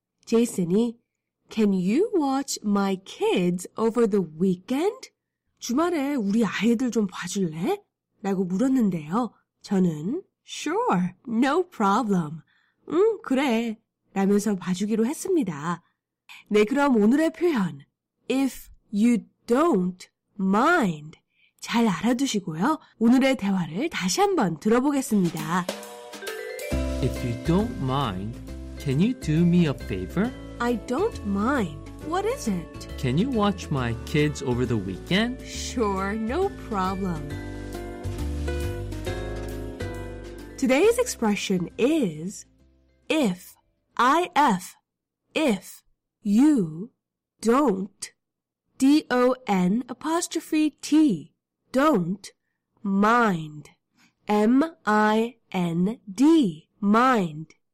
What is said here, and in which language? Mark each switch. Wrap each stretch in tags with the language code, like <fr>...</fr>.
<en>제이슨이 Can you watch my kids over the weekend?</en> <ko>주말에 우리 아이들 좀 봐줄래? 라고 물었는데요. 저는</ko> <en>Sure, no problem.</en> <ko>응, 그래. 라면서 봐주기로 했습니다. 네, 그럼 오늘의 표현</ko> <en>If you don't mind,</en> <ko>잘 알아두시고요. 오늘의 대화를 다시 한번 들어보겠습니다.</ko> <en>If you don't mind, can you do me a favor? I don't mind. What is it? Can you watch my kids over the weekend? Sure, no problem. Today's expression is if, I-F, if you don't, D-O-N apostrophe T, don't mind, M-I-N-D, mind.</en>